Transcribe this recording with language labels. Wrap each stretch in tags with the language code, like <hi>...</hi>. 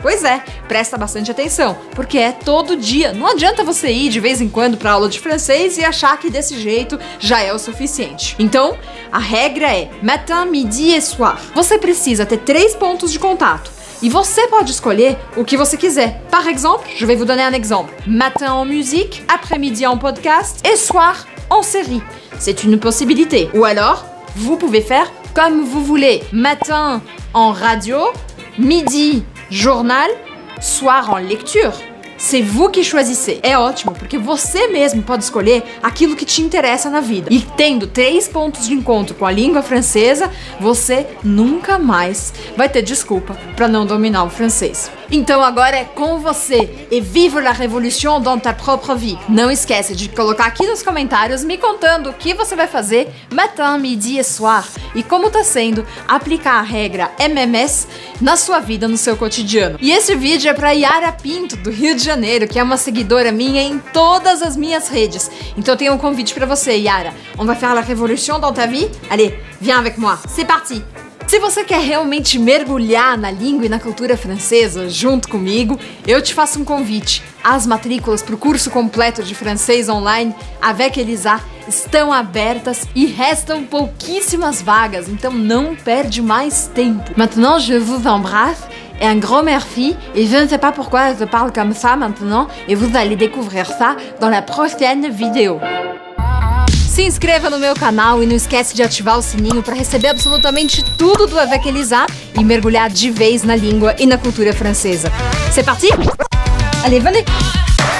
<pt>Pois é, presta bastante atenção, porque é todo dia. Não adianta você ir de vez em quando para aula de francês e achar que desse jeito já é o suficiente. Então, a regra é</pt> <fr>matin, midi et soir.</fr> <pt>Você precisa ter três pontos de contato. E você pode escolher o que você quiser.</pt> <fr>Par exemple, je vais vous donner un exemple. Matin en musique, après-midi en podcast et soir en série. C'est une possibilité. Ou alors, vous pouvez faire comme vous voulez. Matin en radio, midi journal, soir en lecture. C'est vous qui choisissez.</fr> <pt>É ótimo, porque você mesmo pode escolher aquilo que te interessa na vida. E tendo três pontos de encontro com a língua francesa, você nunca mais vai ter desculpa para não dominar o francês. Então agora é com você.</pt> <fr>Et vive la révolution dans ta propre vie.</fr> <pt>Não esquece de colocar aqui nos comentários me contando o que você vai fazer</pt> <fr>matin, midi et soir.</fr> <pt>E como tá sendo aplicar a regra MMS na sua vida, no seu cotidiano. E esse vídeo é pra Yara Pinto, do Rio de Janeiro, que é uma seguidora minha em todas as minhas redes. Então eu tenho um convite pra você, Yara.</pt> <fr>On va faire la révolution dans ta vie? Allez, viens avec moi. C'est parti!</fr> <pt>Se você quer realmente mergulhar na língua e na cultura francesa junto comigo, eu te faço um convite. As matrículas para o curso completo de francês online Avec Elisa estão abertas e restam pouquíssimas vagas, então não perde mais tempo.</pt> <fr>Maintenant je vous embrasse et un grand merci et je ne sais pas pourquoi je parle comme ça maintenant et vous allez découvrir ça dans la prochaine vidéo.</fr> <pt>Se inscreva no meu canal e não esquece de ativar o sininho para receber absolutamente tudo do Avec Elisa e mergulhar de vez na língua e na cultura francesa.</pt> <fr>C'est parti? Allez, venez!</fr>